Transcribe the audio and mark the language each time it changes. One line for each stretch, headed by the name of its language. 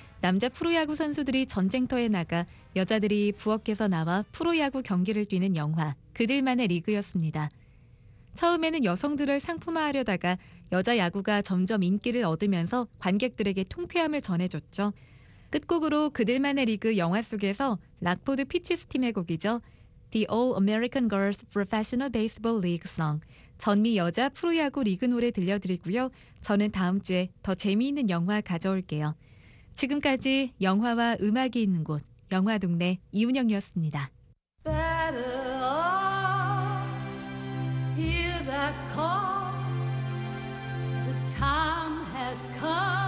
Korean: 남자 프로야구 선수들이 전쟁터에 나가 여자들이 부엌에서 나와 프로야구 경기를 뛰는 영화 그들만의 리그였습니다. 처음에는 여성들을 상품화하려다가 여자 야구가 점점 인기를 얻으면서 관객들에게 통쾌함을 전해줬죠. 끝곡으로 그들만의 리그 영화 속에서 락포드 피치스 팀의 곡이죠.
English: The All-American Girls Professional Baseball League Song.
Korean: 전미 여자 프로야구 리그 노래 들려드리고요. 저는 다음 주에 더 재미있는 영화 가져올게요. 지금까지 영화와 음악이 있는 곳, 영화 동네 이운영이었습니다.
English: Better all, hear that call. The time has come.